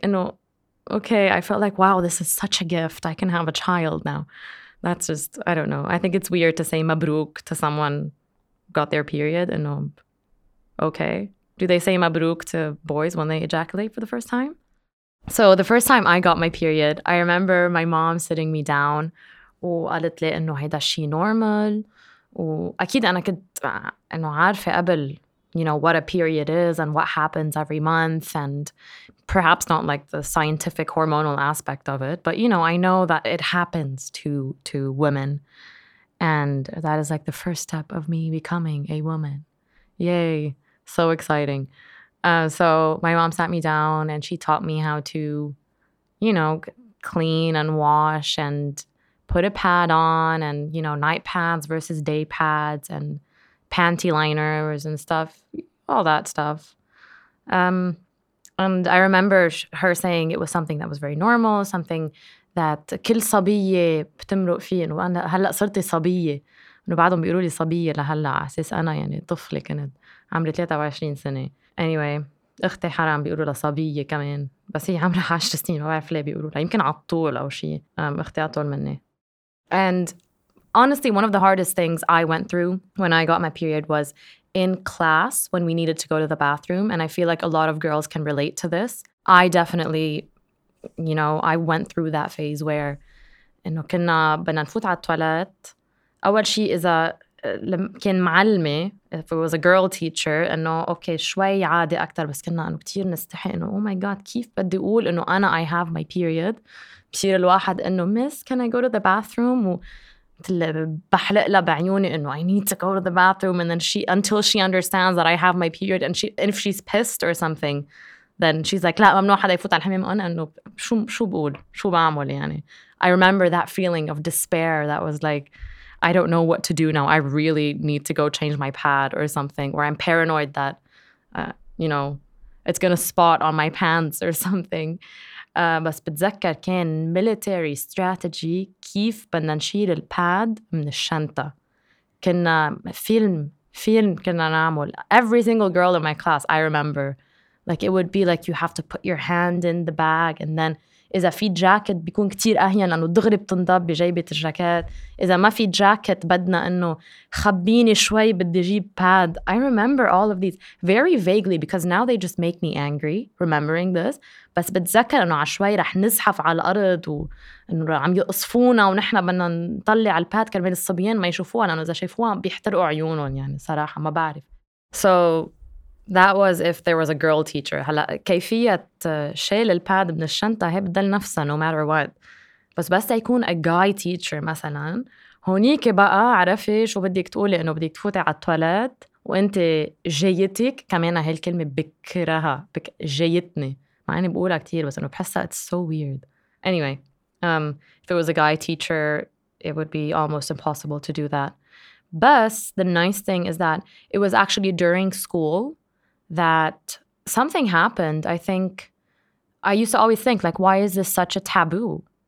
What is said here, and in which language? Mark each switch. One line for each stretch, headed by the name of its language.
English: And okay, I felt like, wow, this is such a gift. I can have a child now. That's just, I don't know. I think it's weird to say mabruk to someone got their period and okay. Do they say mabruk to boys when they ejaculate for the first time? So the first time I got my period, I remember my mom sitting me down.
Arabic: وقالت لي إنه هيدا شي normal. وأكيد أنا كنت إنه عارفة قبل,
English: you know, what a period is and what happens every month, and perhaps not like the scientific hormonal aspect of it, but you know, I know that it happens to women. And that is like the first step of me becoming a woman. Yay. So exciting. So my mom sat me down and she taught me how to, you know, clean and wash and put a pad on and, you know, night pads versus day pads and panty liners and stuff, all that stuff. And I remember her saying it was something that was very normal, something that
Arabic: كل صبية بتمرق فيه. وأنا هلأ صرتي صبية. وبعضهم بيقولوا لي صبية لهلأ عساس أنا يعني طفلة كانت عمري 23 سنة. Anyway, أختي حرام بيقولوا لها صبية كمان. بس هي عمرها 10 سنين ما بعرف ليه بيقولوا لها. يمكن عطول أو شيء. أختي عطول مني.
English: And honestly, one of the hardest things I went through when I got my period was in class when we needed to go to the bathroom. And I feel like a lot of girls can relate to this. I definitely, you know, I went through that phase where
Arabic: إنه كنا بدنا نفوت على التواليت. أول شيء إذا كان معلمي,
English: if it was a girl teacher,
Arabic: إنه أوكي شوي عادي أكتر, بس كنا إنه كتير نستحي إنه
English: oh my god
Arabic: كيف بدي أقول إنه أنا
English: I have my period.
Arabic: بصير الواحد إنه
English: miss can I go to the bathroom,
Arabic: وبحلق لها بعيوني إنه
English: I need to go to the bathroom, and then until she understands that I have my period, and if she's pissed or something, then she's like,
Arabic: لا ممنوع حدا يفوت على الحمام. أنا إنه شو بقول شو بعمل يعني.
English: I remember that feeling of despair that was like, I don't know what to do now. I really need to go change my pad or something. Or I'm paranoid that, you know, it's going to spot on my pants or something.
Arabic: بس بتذكر كان
English: military strategy
Arabic: كيف بدنا نشيل الباد من الشنطة. كنا فيلم كنا نعمل.
English: Every single girl in my class, I remember, Like it would be like you have to put your hand in the bag and then
Arabic: إذا في جاكيت بيكون كتير أهين لأنه دغري بتنضب بجيبة الجاكيت. إذا ما في جاكيت بدنا إنه خبيني شوي بدي جيب باد.
English: I remember all of these very vaguely because now they just make me angry remembering this.
Arabic: بس بتذكر إنه عشوائي رح نزحف على الأرض وإنه عم يقصفونا ونحن بدنا نطلع الباد كرمال الصبيان ما يشوفوها لأنه إذا شايفوها بيحترقوا عيونهم يعني صراحة ما بعرف.
English: So that was if there was a girl teacher.
Arabic: هلأ كيفية شيل الباد من الشنطة هي بدل نفسها
English: no matter what.
Arabic: بس يكون
English: a guy teacher
Arabic: مثلا هونيك بقى عرفي شو بديك تقولي إنه بديك تفوتي على التواليت وإنت جيتك كمان هالكلمة بكرها جيتني مع إني بقولها كتير بس إنه بحسها
English: it's so weird. Anyway, if it was a guy teacher it would be almost impossible to do that. But the nice thing is that it was actually during school that something happened. I think I used to always think, like, why is this such a taboo?